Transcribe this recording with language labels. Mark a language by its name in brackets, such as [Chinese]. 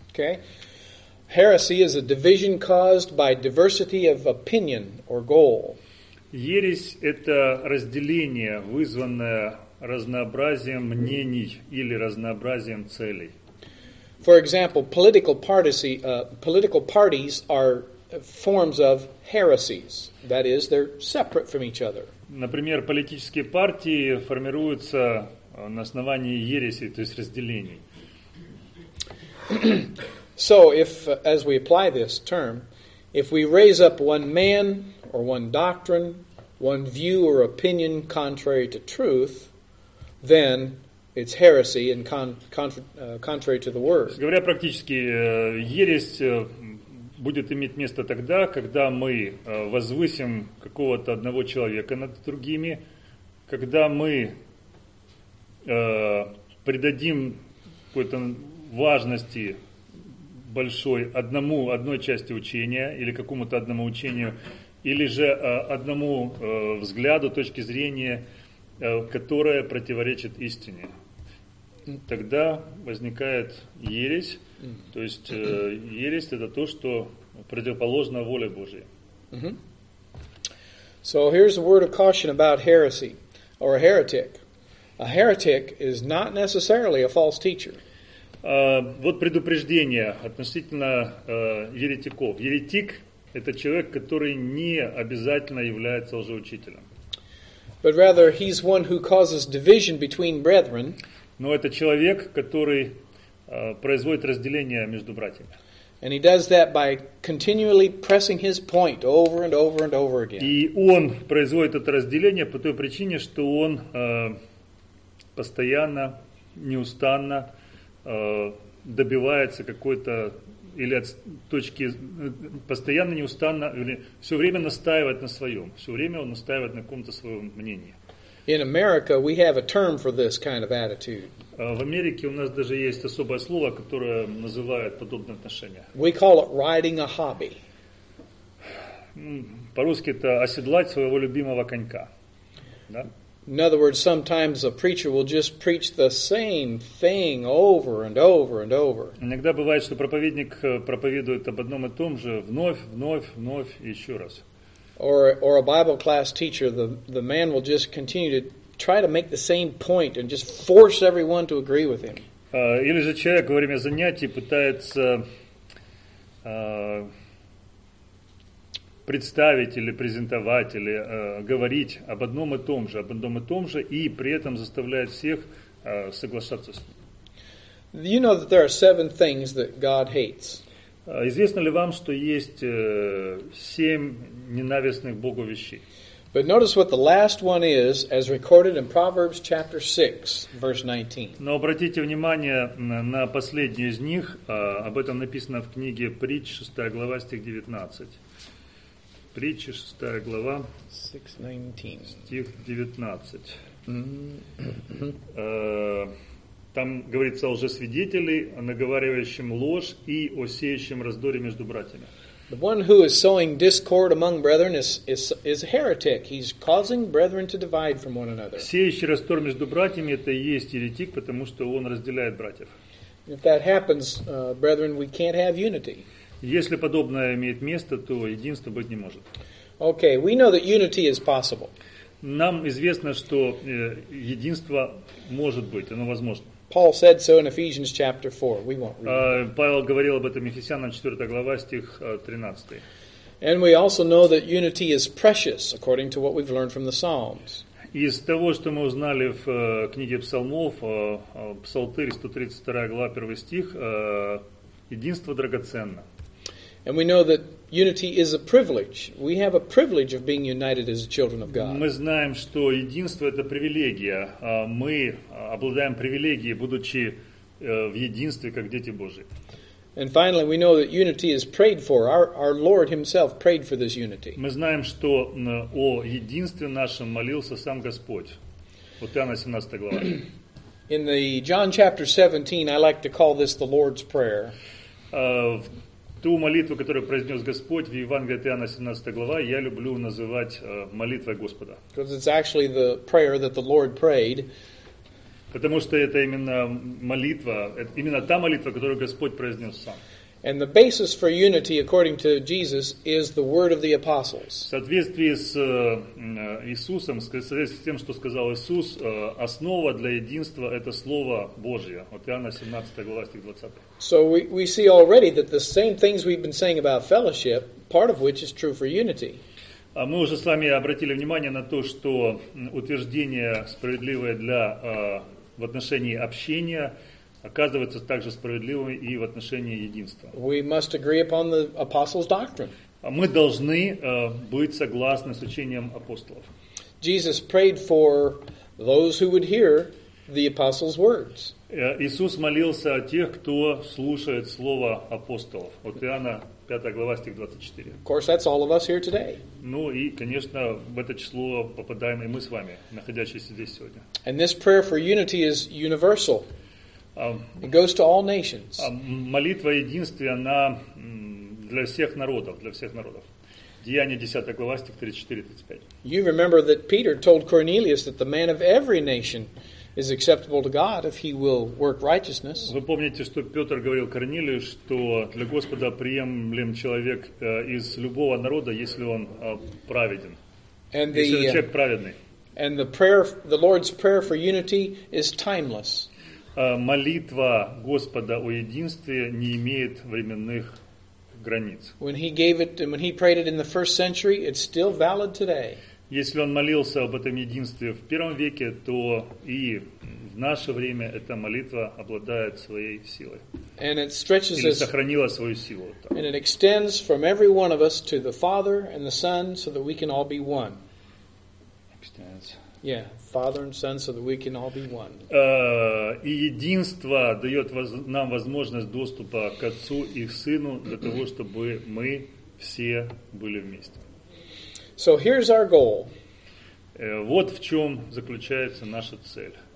[English] Okay. Heresy is a division caused by diversity of opinion or goal. [Russian] Ересь – это разделение, вызванное разнообразием мнений или разнообразием целей. [English] For example, political parties are forms of heresies. That is, they're separate from each other. [Russian] Например, политические партии формируются на основании ересей, то есть разделений. [English] So, if, as we apply this term, if we raise up one man or one doctrine, one view or opinion contrary to truth, then it's heresy and contrary to the word. [Russian] Говоря практически, ересь будет иметь место тогда, когда мы возвысим какого-то одного человека над другими, когда мы придадим какой-то важности большой одной части учения или какому-то одному учению, или же одному взгляду, точки зрения, которая противоречит истине. Тогда возникает ересь. То есть ересь – это то, что противоположно воле Божьей. Mm-hmm. [English] So here's a word of caution about heresy or a heretic. A heretic is not necessarily a false teacher. [Russian] Вот предупреждение относительно еретиков. Еретик – это человек, который не обязательно является лжеучителем. [English] But rather, he's one who causes division between brethren. [Russian] Но это человек, который производит разделение между братьями. [English] And he does that by continually pressing his point over and over and over again. [Russian] И он производит это разделение по той причине, что он постоянно, неустанно добивается какой-то или от точки постоянно, неустанно, или все время настаивает на своем. Все время он настаивает на каком-то своем мнении. [English] In America we have a term for this kind of attitude. [Russian] В Америке у нас даже есть особое слово, которое называет подобное отношение. [English] We call it riding a hobby. [Russian] По-русски это оседлать своего любимого конька. Да? [English] In other words, sometimes a preacher will just preach the same thing over and over and over. [Russian] Иногда бывает, что проповедник проповедует об одном и том же вновь, вновь, вновь и еще раз. [English] Or a Bible class teacher, the man will just continue to try to make the same point and just force everyone to agree with him. [Russian] Или же человек во время занятий пытается представить или презентовать или говорить об одном и том же, и при этом заставляет всех соглашаться с ним. [English] You know that there are seven things that God hates. [Russian] Известно ли вам, что есть семь ненавистных Богу вещей? [English] But notice what the last one is, as recorded in Proverbs chapter 6, verse 19. [Russian] Но обратите внимание на последний из них. Об этом написано в книге Притч, 6 глава, стих 19. Притчи, 6 глава, 6:19. Стих 19. Там говорится о лжесвидетели, о наговаривающем ложь и о сеющем раздоре между братьями. [English] The one who is sowing discord among brethren is a heretic. He's causing brethren to divide from one another. [Russian] Сеющий раздор между братьями — это и есть еретик, потому что он разделяет братьев. [English] If that happens, brethren, we can't have unity. [Russian] Если подобное имеет место, то единства быть не может. [English] Okay, we know that unity is possible. [Russian] Нам известно, что единство может быть, оно возможно. [English] Paul said so in Ephesians chapter 4. We won't read it. [Russian] Павел говорил об этом Ефесянам 4 глава, стих 13. [English] And we also know that unity is precious, according to what we've learned from the Psalms. [Russian] Из того, что мы узнали в книге Псалмов, Псалтырь, 132 глава, 1 стих, единство драгоценно. [English] And we know that unity is a privilege. We have a privilege of being united as children of God. [Russian] Мы знаем, что единство — это привилегия. Мы обладаем привилегией, будучи в единстве, как дети Божьи. [English] And finally, we know that unity is prayed for. Our Lord Himself prayed for this unity. [Russian] Мы знаем, что о единстве нашем молился сам Господь. Вот Иоанна 17 глава. [English] In the John chapter 17, I like to call this the Lord's Prayer. [Russian] Ту молитву, которую произнес Господь в Евангелии от Иоанна 17 глава, я люблю называть молитвой Господа. [English] Because it's actually the prayer that the Lord prayed. [Russian] Потому что это именно молитва, именно та молитва, которую Господь произнес сам. [English] And the basis for unity, according to Jesus, is the word of the apostles. [Russian] В соответствии с Иисусом, в соответствии с тем, что сказал Иисус, основа для единства – это Слово Божье. Вот Иоанна 17 глава, стих 20. [English] So we see already that the same things we've been saying about fellowship, part of which is true for unity. [Russian] Мы уже с вами обратили внимание на то, что утверждение справедливое для в отношении общения оказывается также справедливым и в отношении единства. [English] We must agree upon the apostles' doctrine. [Russian] Мы должны быть согласны с учением апостолов. [English] Jesus prayed for those who would hear the apostles' words. [Russian] Иисус молился о тех, кто слушает слово апостолов. От Иоанна 5 глава, стих 24. [English] Of course, that's all of us here today. [Russian] Ну и, конечно, в это число попадаем и мы с вами, находящиеся здесь сегодня. [English] And this prayer for unity is universal. It goes to all nations. [Russian] Молитва единства, она для всех народов, для всех народов. Деяния 10 глава, стих 34-35. [English] You remember that Peter told Cornelius that the man of every nation is acceptable to God if he will work righteousness. [Russian] Вы помните, что Петр говорил Корнилию, что для Господа приемлем человек из любого народа, если он праведен. [English] And the, [Russian] если человек праведный. [English] And the prayer, the Lord's prayer for unity is timeless. [Russian] Молитва Господа о единстве не имеет временных границ. [English] When he gave it, when he prayed it in the first century, it's still valid today. [Russian] Если он молился об этом единстве в первом веке, то и в наше время эта молитва обладает своей силой. [English] And it stretches [Russian] или сохранила свою силу. Там. [English] And it extends from every one of us to the Father and the Son, so that we can all be one. Extends. Yeah. Father and Son, so that we can all be one. [Russian] И единство дает нам возможность доступа к Отцу и Сыну для того, чтобы мы все были вместе. [English] So here's our goal. [Russian] Вот в чем заключается наша цель.